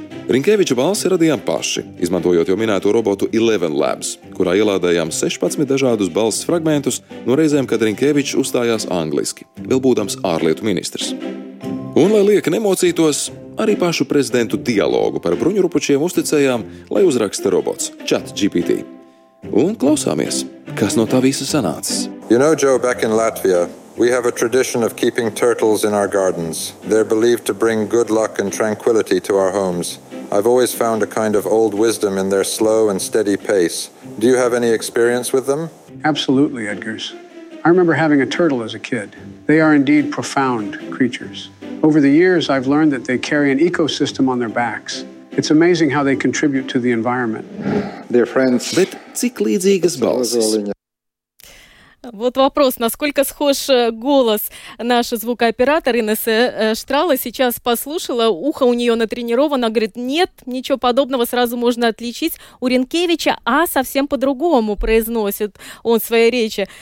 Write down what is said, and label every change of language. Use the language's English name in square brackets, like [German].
[Latvian] Rinkeviča balsi radījām paši, izmantojot jau minēto robotu Eleven Labs, kurā ielādējām 16 dažādus balss fragmentus no reizēm, kad Rinkevičs uzstājās angliski, vēl būdams ārlietu ministrs. Un, lai lieka nemocītos, arī pašu prezidentu dialogu par bruņurupučiem uzticējām, lai uzraksta robots ChatGPT. Un klausāmies, kas no tā visa sanācis. [English] You know, Joe, back in Latvia, we have a tradition of keeping turtles in our gardens. They're believed to bring good luck and tranquility to our homes. I've always found a kind of old wisdom in their slow and steady pace. Do you have any experience with them? Absolutely, Edgars. I remember having a turtle as a kid. They are indeed profound creatures. Over the years, I've learned that they carry an ecosystem on their backs. It's amazing how they contribute to the environment. They're friends. [Latvian] Bet cik līdzīgas balsis? [Russian] Вот вопрос, насколько схож голос наш звукооператор Инесса Штрала. Сейчас послушала, ухо у нее натренировано, говорит, нет, ничего подобного, сразу можно отличить. У Ринкевича «а» совсем по-другому произносит он в своей речи.